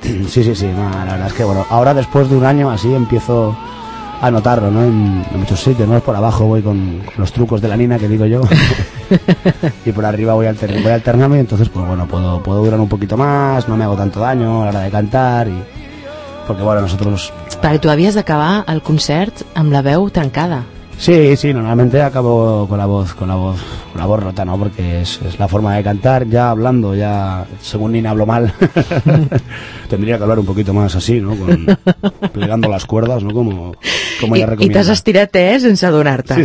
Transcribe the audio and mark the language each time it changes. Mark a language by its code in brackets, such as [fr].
[es] Sí, la verdad es que, bueno, ahora después de un año así empiezo a notarlo, ¿no? En muchos sitios, ¿no? Por abajo voy con los trucos de la Nina, que digo yo, y por arriba voy alternando, y entonces, pues bueno, puedo durar un poquito más, no me hago tanto daño a la hora de cantar, y... Porque, bueno, nosotros... [ca] Perquè tu havies d'acabar el concert amb la veu trencada. [es] Sí, normalmente acabo con la voz rota, ¿no? Porque es la forma de cantar, ya hablando, ya según Nina hablo mal. Tendría que hablar un poquito más así, ¿no? Plegando las cuerdas, ¿no? Como ella recomienda. Y te has estirado, [ca] sense adonar-te.